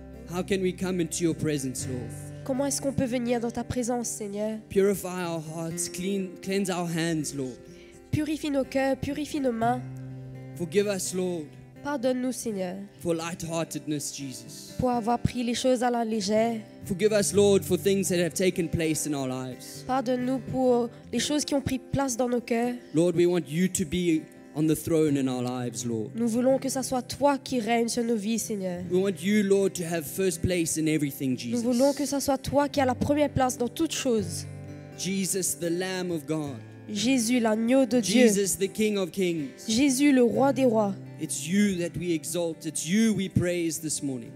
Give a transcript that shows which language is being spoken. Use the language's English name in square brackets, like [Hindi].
[English] How can we come into your presence, Lord? [French] comment est-ce qu'on peut venir dans ta présence, Seigneur? [English] Purify our hearts, cleanse our hands, Lord. [French] Purifie nos cœurs, purifie nos mains. [English] Forgive us, Lord. [French] Pardonne-nous, Seigneur. [English] For light-heartedness, Jesus. [French] Pour avoir pris les choses à la légère. [English] Forgive us, Lord, for things that have taken place in our lives. [French] Pardonne-nous pour les choses qui ont pris place dans nos cœurs. [English] Lord, we want you to be on the throne in our lives, Lord. [French] Nous voulons que ça soit toi qui règne sur nos vies, Seigneur. [English] We want you, Lord, to have first place in everything, Jesus. [French] Nous voulons que ça soit toi qui a la première place dans toutes choses. [English] Jesus, the Lamb of God. [French] Jésus, l'agneau de Dieu. [English] Jesus, the King of Kings. [French] Jésus, le roi des rois. [English] It's you that we exalt. It's you we praise this morning.